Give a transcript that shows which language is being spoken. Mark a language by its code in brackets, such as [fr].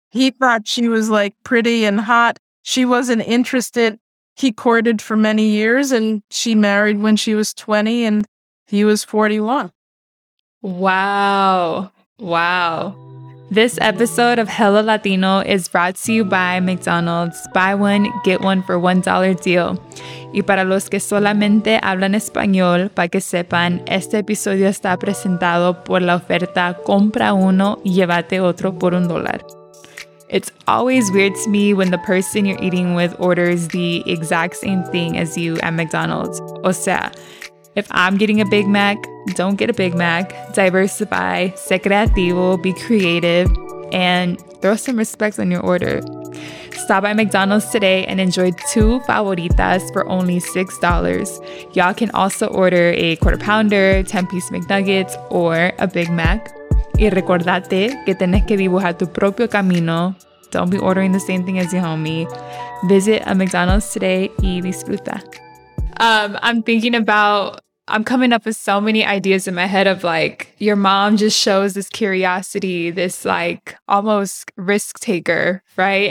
[en] He thought she was like pretty and hot. She wasn't interested. He courted for many years, and she married when she was 20 and he was 41. Wow. Wow. This episode of Hello Latino is brought to you by McDonald's. Buy one, get one for $1 deal. [es] Y para los que solamente hablan español, para que sepan, este episodio está presentado por la oferta Compra Uno, Llévate Otro por $1. [en] It's always weird to me when the person you're eating with orders the exact same thing as you at McDonald's. [es] O sea, [en] if I'm getting a Big Mac, don't get a Big Mac. Diversify, [es] sé creativo, [en] be creative, and throw some respect on your order. Stop by McDonald's today and enjoy two favoritas for only $6. Y'all can also order a quarter pounder, 10-piece McNuggets, or a Big Mac. [es] Y recordate que tienes que dibujar tu propio camino. [en] Don't be ordering the same thing as your homie. Visit a McDonald's today [es] y disfruta. [en] I'm coming up with so many ideas in my head of like, your mom just shows this curiosity, this like almost risk taker, right?